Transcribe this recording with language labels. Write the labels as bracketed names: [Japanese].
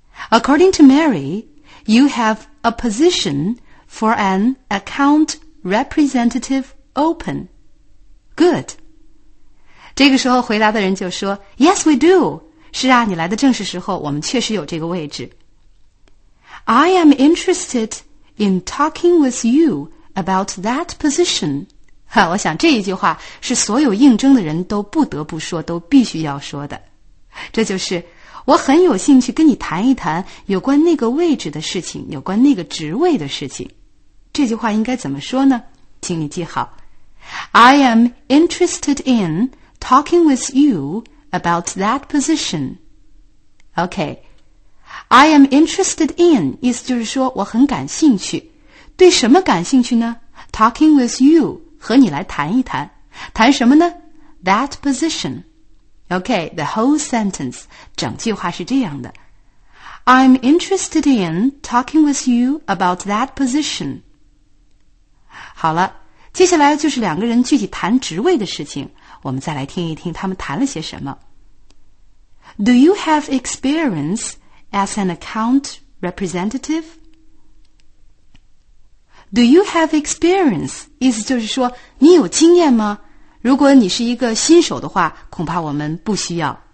[English] According to Mary, you have a position for an account representative open. Good. [Chinese] 这个时候回答的人就说 [English] Yes, we do. [Chinese] 是啊，你来的正是时候，我们确实有这个位置。 [English] I am interested in talking with you about that position. [Chinese] 哈，我想这一句话是所有应征的人都不得不说，都必须要说的。这就是我很有兴趣跟你谈一谈有关那个位置的事情，有关那个职位的事情。这句话应该怎么说呢？请你记好。 [English] I am interested inTalking with you about that position. OK. I am interested in, [Chinese] 意思就是说我很感兴趣。对什么感兴趣呢？ [English] Talking with you, [Chinese] 和你来谈一谈。谈什么呢？ [English] That position. OK, the whole sentence, [Chinese] 整句话是这样的。 [English] I'm interested in talking with you about that position. [Chinese] 好了，接下来就是两个人具体谈职位的事情。我们再来听一听他们谈了些什么。 [English] Do you have experience as an account representative? Do you have experience? [Chinese] 意思就是说，你有经验吗？如果你是一个新手的话，恐怕我们不需要。